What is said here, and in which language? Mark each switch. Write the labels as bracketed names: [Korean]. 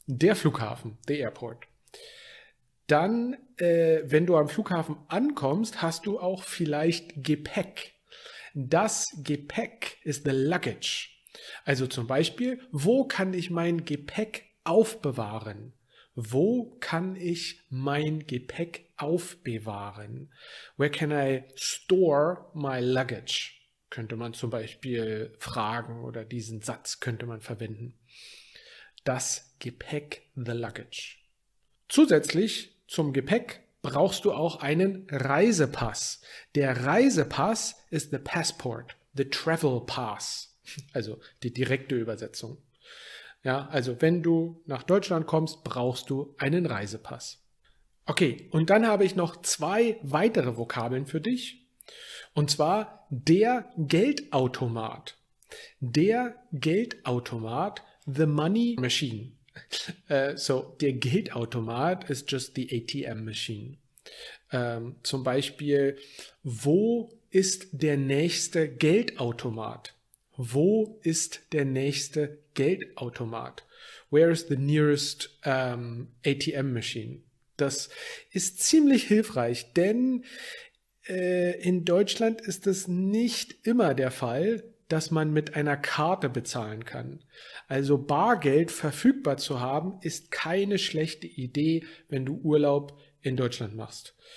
[German] Der Flughafen, the airport. Dann, wenn du am Flughafen ankommst, hast du auch vielleicht Gepäck. Das Gepäck ist the luggage. Also zum Beispiel, wo kann ich mein Gepäck aufbewahren? Wo kann ich mein Gepäck aufbewahren? [English] Where can I store my luggage? [German] Könnte man zum Beispiel fragen oder diesen Satz könnte man verwenden. Das Gepäck, the luggage. Zusätzlich zum Gepäck brauchst du auch einen Reisepass. Der Reisepass ist the passport, the travel pass, also die direkte Übersetzung. Ja, also wenn du nach Deutschland kommst, brauchst du einen Reisepass. Okay, und dann habe ich noch zwei weitere Vokabeln für dich. Und zwar der Geldautomat. Der Geldautomat, the money machine. So, der Geldautomat ist [English] just the ATM machine. [German] Zum Beispiel, wo ist der nächste Geldautomat? Wo ist der nächste Geldautomat? [English] Where is the nearest ATM machine? [German] Das ist ziemlich hilfreich, denn in Deutschland ist es nicht immer der Fall, dass man mit einer Karte bezahlen kann. Also Bargeld verfügbar zu haben, ist keine schlechte Idee, wenn du Urlaub in Deutschland machst.